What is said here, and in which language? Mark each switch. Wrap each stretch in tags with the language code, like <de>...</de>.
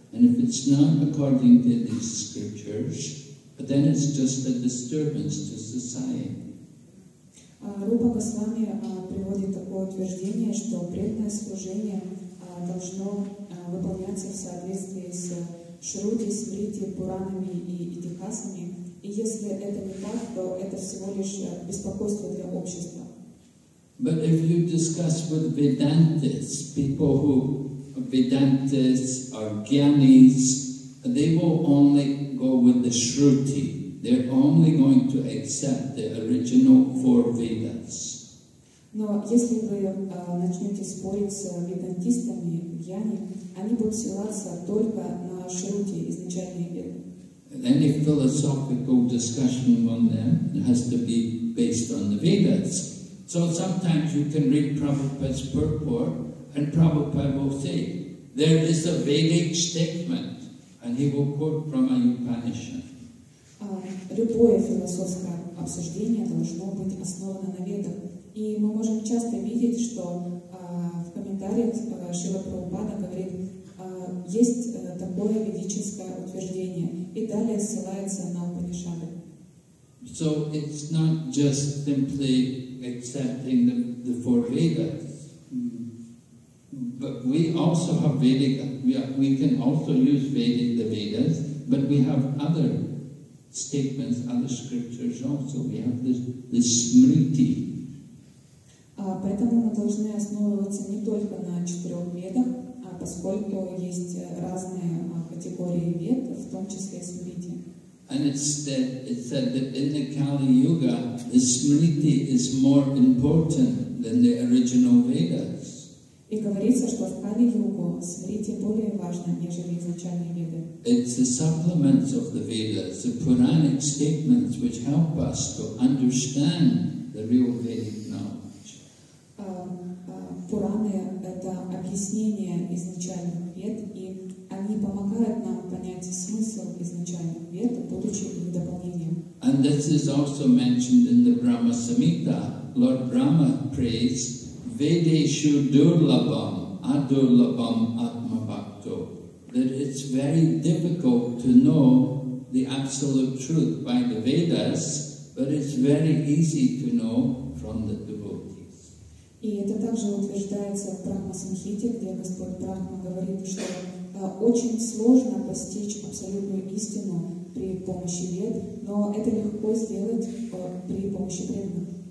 <en>And if it's not according to these scriptures, then it's just a disturbance to society.</en> <ru>Рупа Госвами приводит такое утверждение, что преданное служение должно выполняться в соответствии с Шрути, Смрити, Пуранами и Итихасами. И если это не так, то это всего лишь беспокойство для общества.</ru> <en>But if you discuss with Vedantists, people who Vedantists or Gyanis, they will only go with the Shruti. They're only going to accept the original four Vedas.</en> <ru>Но если вы начнете спорить с ведантистами, гьяни, они будут ссылаться только на шрути изначальные веды.</ru> <en>Any philosophical discussion among them has to be based on the Vedas. So sometimes you can read Prabhupada's purport, and Prabhupada will say, there is a Vedic statement, and he will quote from a Upanishad.</en> <ru>Любое философское обсуждение должно быть основано на ведах. И мы можем часто видеть, что в комментариях Шрила Прабхупада говорит, есть такое ведическое утверждение, и далее ссылается на Упанишады.</ru> <en>So it's not just simply accepting the four Vedas, but we also have Vedic. We can also use Vedic the Vedas, but we have other statements, other scriptures also. We have this Smriti.</en> <ru>Поэтому мы должны основываться не только на четырех ведах, а поскольку есть разные категории вед, в том числе и Смрити.</ru> <en>And it said that in the Kali Yuga, the Smriti is more important than the original Vedas.</en> <ru>И говорится, что в Кали Югу Смрити более важно, нежели изначальные Веды.</ru> <en>It's the supplements of the Vedas, the Puranic statements, which help us to understand the real Vedic knowledge.</en> <ru>Пураны — это объяснение изначальных Вед, и они помогают нам понять смысл изначальных Вед, будучи их дополнением.</ru> <en>And this is also mentioned in the Brahma Samhita. Lord Brahma prays, Vedeshu Durlabham Adurlabham Atma Bhakto. That it's very difficult to know the absolute truth by the Vedas, but it's very easy to know from the devotees.</en> <ru>И это также утверждается в Брахма Самхите, где Господь Брахма говорит, что очень сложно постичь абсолютную истину при помощи Вед, но это легко сделать при помощи преданных.</ru>